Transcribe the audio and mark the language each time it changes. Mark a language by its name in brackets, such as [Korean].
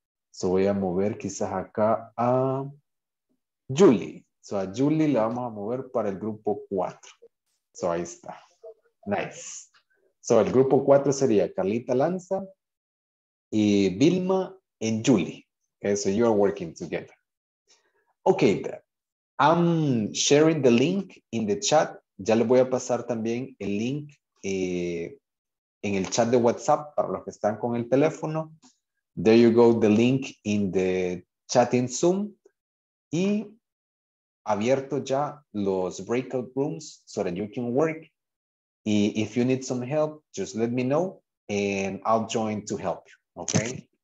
[Spanish] So voy a mover quizás acá a Julie. So a Julie la vamos a mover para el grupo 4. So ahí está. Nice. So el grupo 4 sería Carlita Lanza y Vilma y Julie. [English] Okay, so you are working together. Okay, I'm sharing the link in the chat. [Spanish] Ya le voy a pasar también el link en el chat de WhatsApp para los que están con el teléfono. [English] There you go, the link in the chat in Zoom. [Spanish] Y abierto ya los [English] breakout rooms so that you can work. Y if you need some help, just let me know and I'll join to help you, okay?